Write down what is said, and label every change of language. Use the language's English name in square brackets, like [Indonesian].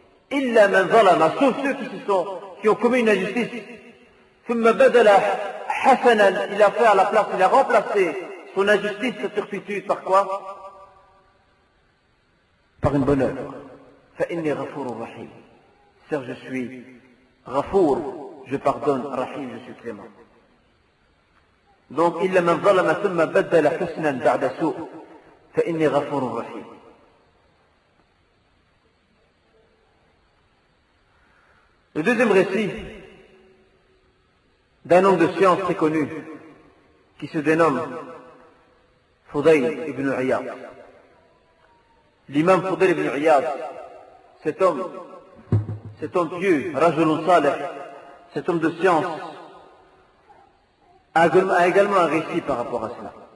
[Arabic] Illa man zalama, [French] sauf ceux qui se sont, qui ont commis une injustice, [Arabic] thumma badala hasanan, [French] il a fait à la place, il a remplacé son injustice, sa turpitude, par quoi? Par une bonne œuvre. [Arabic] Fa inni ghafurur rahim. [French] Car je suis ghafour, je pardonne, rahim, je suis clément. Donc, il l'a [Arabic] ظلم ثم بدل حسنا بعد سوء فإني غفور رحيم. [French] Le deuxième récit d'un homme de science très connu qui se dénomme Fudayl ibn Iyad. L'imam Fudayl ibn Iyad, cet homme pieux, [Arabic] رجل صالح, [French] cet homme de science, a également un récit par rapport à cela.